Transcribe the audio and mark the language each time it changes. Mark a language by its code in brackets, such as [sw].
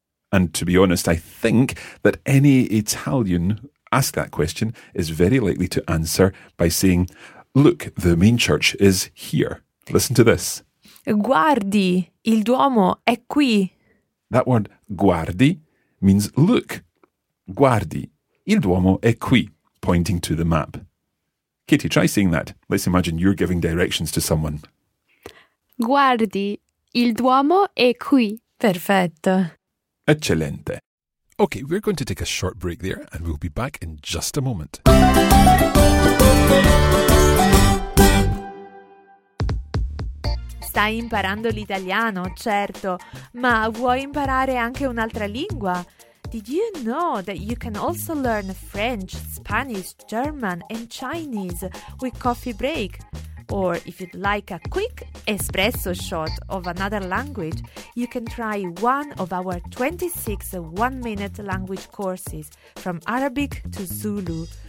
[en] And to be honest, I think that any Italian asked that question is very likely to answer by saying, look, the main church is here. Listen to this. [it] Guardi, il Duomo è qui. [en] That word guardi means look. [it] Guardi, il Duomo è qui, [en] pointing to the map. Katie, try saying that. Let's imagine you're giving directions to someone. [it] Guardi, il Duomo è qui. Perfetto. Eccellente. [en] Okay, we're going to take a short break there and we'll be back in just a moment. [it] Stai imparando l'italiano, certo, ma vuoi imparare anche un'altra lingua? [en] Did you know that you can also learn French, Spanish, German and Chinese with Coffee Break? Or if you'd like a quick espresso shot of another language, you can try one of our 26 one-minute language courses from Arabic to Zulu.